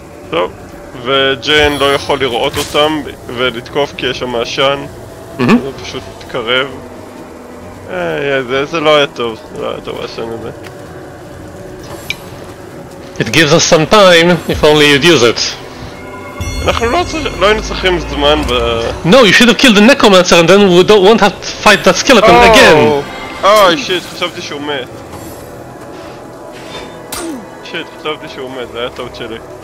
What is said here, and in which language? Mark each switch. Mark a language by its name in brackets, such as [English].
[Hebrew] טוב, וג'יין לא יכול לראות אותם ולתקוף כי יש שם עשן. הוא פשוט התקרב. זה לא היה טוב, לא היה טוב העשן הזה. [English] It gives us some time, if only you'd use it. [Hebrew] אנחנו לא היינו צריכים זמן ב... [English] No, you should have killed the necromancer and then we won't have to fight that skeleton again. Oh, shit, [Hebrew] חשבתי שהוא מת. [English] Shit, [Hebrew] חשבתי שהוא מת, זה היה טעות שלי.